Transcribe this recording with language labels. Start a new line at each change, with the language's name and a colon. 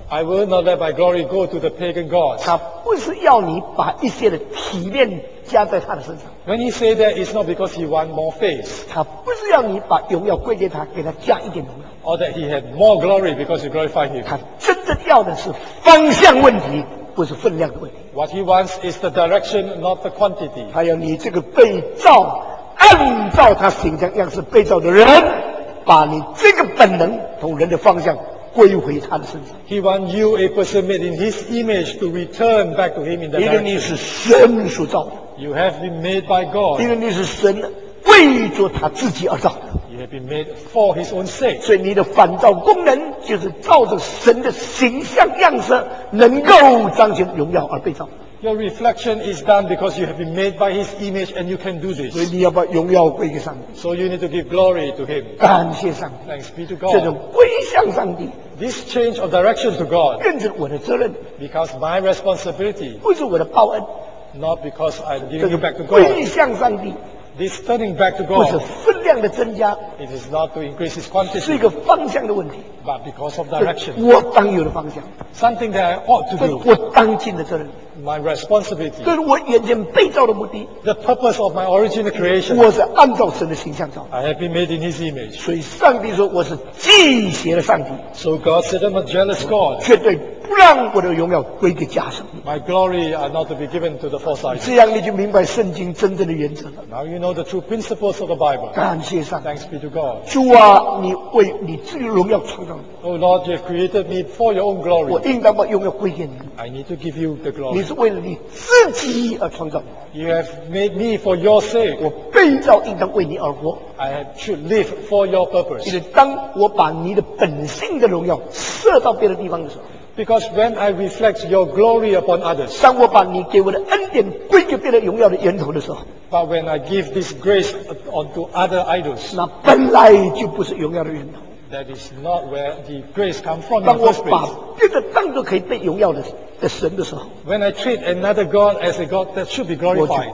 English: I will not let my glory go to the pagan gods.
Chinese: 他不是要你把一些的体面加在他的身上。
English: When he say that, it's not because he want more face.
Chinese: 他不是要你把荣耀归给他，给他加一点荣耀。
English: Or that he had more glory because you glorify him.
Chinese: 他真的要的是方向问题，不是分量的问题。
English: What he wants is the direction, not the quantity.
Chinese: 还有你这个被造，按照他形象样式被造的人，把你这个本能从人的方向归回他的身上。
English: He wants you, a person made in his image, to return back to him in the direction.
Chinese: 因为你是神所造的。
English: You have been made by God.
Chinese: 因为你是神为着他自己而造的。
English: You have been made for his own sake.
Chinese: 所以你的反造功能就是照着神的形象样式，能够彰显荣耀而被造。
English: Your reflection is done because you have been made by his image and you can do this.
Chinese: 所以你要把荣耀归给上帝。
English: So you need to give glory to him.
Chinese: 感谢上帝。
English: Thanks be to God.
Chinese: 这种归向上帝。
English: This change of direction to God.
Chinese: 变成我的责任。
English: Because my responsibility.
Chinese: 不是我的报恩。
English: Not because I'm giving you back to God.
Chinese: 归向上帝。
English: This turning back to God
Chinese: 不是分量的增加,
English: it is not to increase his quantity,
Chinese: 是一个方向的问题,
English: but because of direction,
Chinese: 我当有的方向,
English: something that I ought to do,
Chinese: 我当尽的责任,
English: my responsibility,
Chinese: 跟我眼前被造的目的,
English: the purpose of my original creation,
Chinese: 我是按照神的形象造,
English: I have been made in his image.
Chinese: 所以上帝说我是忌邪的上帝,
English: so God said I'm a jealous God.
Chinese: 绝对不让我的荣耀归给假神,
English: my glory are not to be given to the false idols.
Chinese: 这样你就明白圣经真正的原则,
English: now you know the true principles of the Bible.
Chinese: 感谢上,
English: thanks be to God.
Chinese: 主啊, 你为你自己荣耀创造,
English: oh Lord, you have created me for your own glory.
Chinese: 我应当把荣耀归给你,
English: I need to give you the glory.
Chinese: 你是为了你自己而创造,
English: you have made me for your sake.
Chinese: 我被造应当为你而活,
English: I have to live for your purpose.
Chinese: 因为当我把你的本性的荣耀射到别的地方的时候,
English: because when I reflect your glory upon others,
Chinese: 当我把你给我的恩典归给别的荣耀的源头的时候,
English: but when I give this grace onto other idols,
Chinese: 那本来就不是荣耀的源头,
English: that is not where the grace comes from.
Chinese: 当我把别的当作可以被荣耀的神的时候,
English: when I treat another God as a God that should be glorified,